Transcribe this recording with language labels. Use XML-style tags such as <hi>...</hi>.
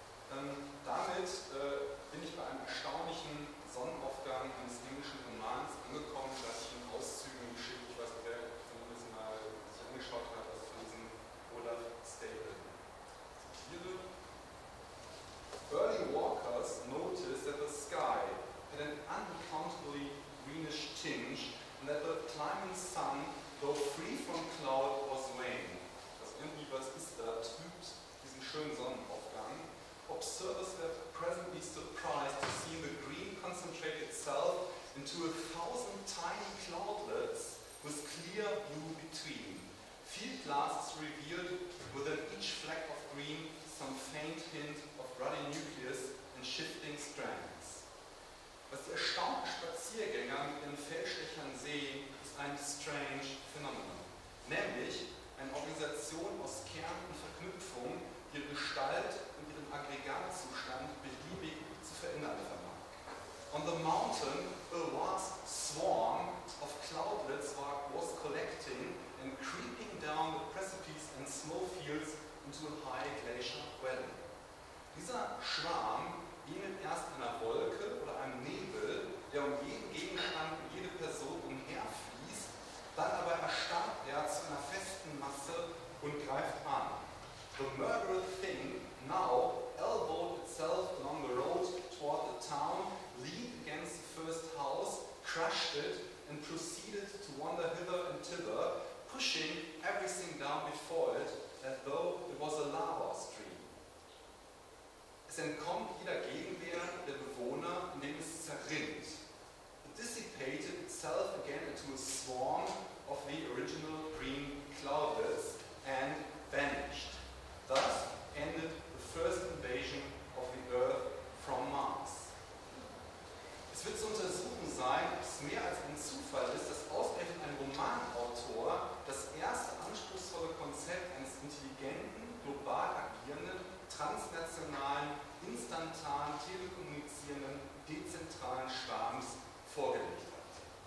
<de>Damit bin ich bei einem erstaunlichen Sonnenaufgang eines englischen Romans angekommen, dass ich in Auszügen geschickt, ich weiß nicht, wer zumindest mal sich angeschaut hat, was für diesen Olaf Staple.</de> <en>Zitiere: Early walkers noticed that the sky had an unaccountably greenish tinge and that the climbing sun, though free from cloud, was waning.</en> <de>Also irgendwie, was ist da, trübt diesen schönen Sonnenaufgang.</de> <en>Observers were presently surprised to see the green concentrate itself into 1,000 tiny cloudlets with clear blue between. Field glasses revealed within each fleck of green some faint hint of ruddy nucleus and shifting strands.</en> <de>Was die erstaunten Spaziergänger mit ihren Feldstechern sehen, ist ein</de> <en>strange phenomenon.</en> <de>Nämlich eine Organisation aus Kern und Verknüpfung, die ihre Gestalt und ihren Aggregatzustand beliebig zu verändern vermag.</de> <en>On the mountain, a vast swarm of cloudlets was collecting and creeping down the precipices and snow fields into a high glacier valley.</en> <de>Dieser Schwarm ähnelt erst einer Wolke oder einem Nebel, der um jeden Gegenstand und jede Person umherfließt, dann aber erstarrt er zu einer festen Masse und greift an.</de> <en>The murderous thing now elbowed itself along the road toward the town, leaned against the first house, crushed it, and proceeded to wander hither and thither, pushing everything down before it, as though it was a lava stream.</en> <de>Es entkommt jeder Gegenwehr der Bewohner, indem es zerrinnt.</de> <en>It dissipated itself again into a swarm of the original green cloudlets and vanished. Thus ended the first invasion of the Earth from Mars.</en> <de>Es wird zu untersuchen sein, ob es mehr als ein Zufall ist, dass ausgerechnet ein Romanautor das erste anspruchsvolle Konzept eines intelligenten, global agierenden, transnationalen, instantan telekommunizierenden, dezentralen Schwarms vorgelegt hat.</de>